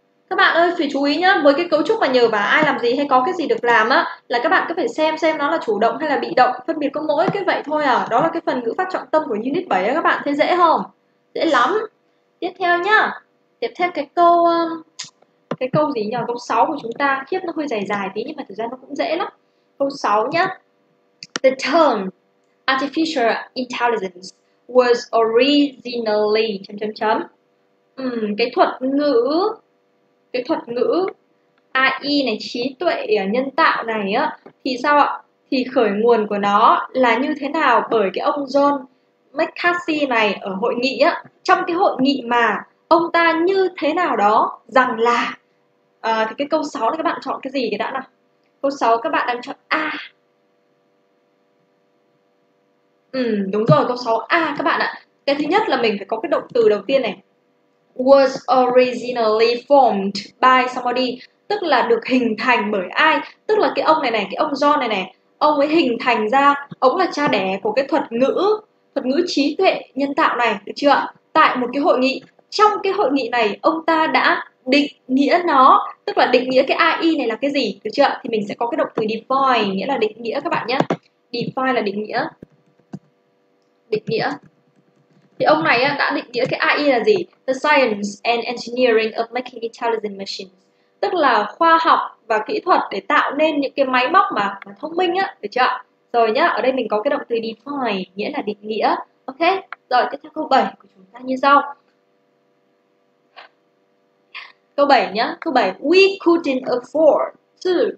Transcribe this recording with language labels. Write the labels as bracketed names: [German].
[Vietnamese] Các bạn ơi phải chú ý nhá, với cái cấu trúc mà nhờ và ai làm gì hay có cái gì được làm á, là các bạn cứ phải xem nó là chủ động hay là bị động, phân biệt có mỗi cái vậy thôi à. Đó là cái phần ngữ pháp trọng tâm của Unit 7 á các bạn, thấy dễ không? Dễ lắm. Tiếp theo nhá. Tiếp theo cái câu gì nhỉ? Câu 6 của chúng ta, khiếp nó hơi dài dài tí nhưng mà thực ra nó cũng dễ lắm. Câu 6 nhá. [English] The term artificial intelligence was originally [Vietnamese] chấm chấm chấm. Cái thuật ngữ AI này, trí tuệ nhân tạo này á, thì sao ạ? Thì khởi nguồn của nó là như thế nào bởi cái ông John McCarthy này ở hội nghị á, trong cái hội nghị mà ông ta như thế nào đó rằng là thì cái câu 6 này các bạn chọn cái gì cái đã nào? Câu 6 các bạn đang chọn A. Đúng rồi, câu 6 A các bạn ạ. Cái thứ nhất là mình phải có cái động từ đầu tiên này. [English] Was originally formed by somebody, [Vietnamese] tức là được hình thành bởi ai, tức là cái ông này này, cái ông John này này, ông ấy hình thành ra, ông là cha đẻ của cái thuật ngữ trí tuệ nhân tạo này, được chưa? Tại một cái hội nghị, trong cái hội nghị này ông ta đã định nghĩa nó, tức là định nghĩa cái AI này là cái gì, được chưa? Thì mình sẽ có cái động từ define, nghĩa là định nghĩa các bạn nhé. Define là định nghĩa. Định nghĩa. Thì ông này đã định nghĩa cái AI là gì? [English] The science and engineering of making intelligent machines. [Vietnamese] Tức là khoa học và kỹ thuật để tạo nên những cái máy móc mà thông minh á, được chưa? Rồi nhá, ở đây mình có cái động từ define, nghĩa là định nghĩa. Ok, rồi tiếp theo câu 7 của chúng ta như sau. Câu 7 nhá, câu 7. [English] We couldn't afford to...